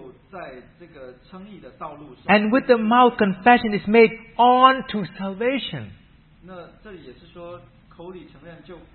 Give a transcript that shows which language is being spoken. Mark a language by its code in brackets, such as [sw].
[zh] 第十节英文版本是说，因人心里相信，就在这个称义的道路上。And [en] with the mouth confession is made on to salvation. [zh] 那这里也是说，口里承认就。